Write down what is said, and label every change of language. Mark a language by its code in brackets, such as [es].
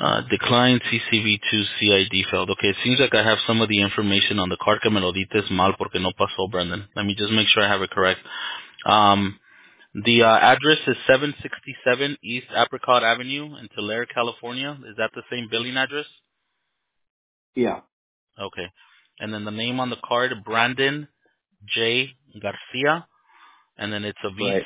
[en] Decline CCV2 CID failed. Okay, it seems like I have some of the information on the card. [es] Que me lo dices mal porque no pasó, Brandon. [en] Let me just make sure I have it correct. The address is 767 East Apricot Avenue in Tulare, California. Is that the same billing address? Yeah. Okay. And then the name on the card, Brandon J. Garcia. And then it's a Visa.